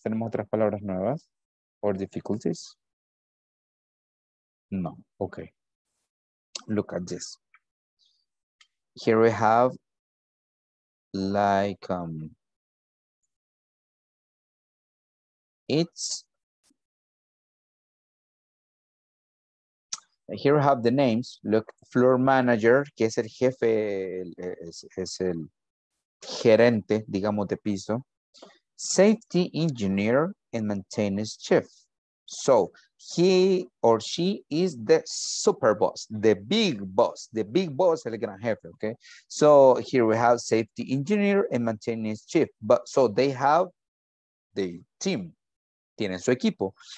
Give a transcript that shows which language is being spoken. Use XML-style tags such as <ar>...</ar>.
<es>¿Tenemos otras palabras nuevas?</es> <en>Or difficulties? No. Okay. Look at this. Here we have like it's here we have the names. Look, floor manager,</en> <es>que es el jefe, es el gerente, digamos, de piso.</es> <en>Safety engineer and maintenance chief. So he or she is the super boss, the big boss. The big boss,</en> <es>el gran jefe,</es> <en>okay? So here we have safety engineer and maintenance chief. But so they have the team.</en> <es>Tienen su equipo.</es>